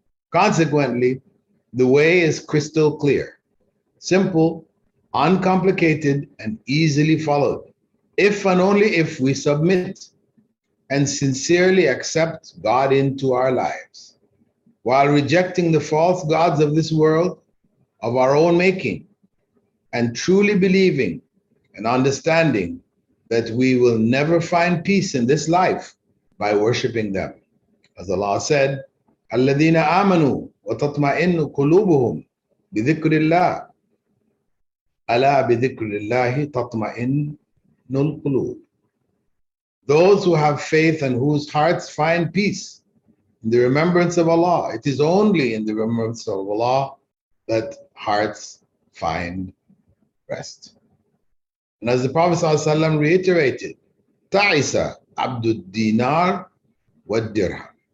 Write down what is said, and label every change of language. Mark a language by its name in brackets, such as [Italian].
[English] Consequently, the way is crystal clear, simple, uncomplicated, and easily followed, if and only if we submit and sincerely accept God into our lives, while rejecting the false gods of this world of our own making, and truly believing and understanding that we will never find peace in this life by worshiping them. As Allah said, [Arabic] الَّذِينَ آمَنُوا وَتَطْمَئِنُّ قُلُوبُهُمْ بِذِكْرِ اللَّهِ أَلَا بِذِكْرِ اللَّهِ تَطْمَئِنُّ الْقُلُوبُ. [English] Those who have faith and whose hearts find peace in the remembrance of Allah, it is only in the remembrance of Allah that hearts find rest. And as the Prophet ﷺ reiterated, [Arabic] Ta'isa abdu dinar wa dirham.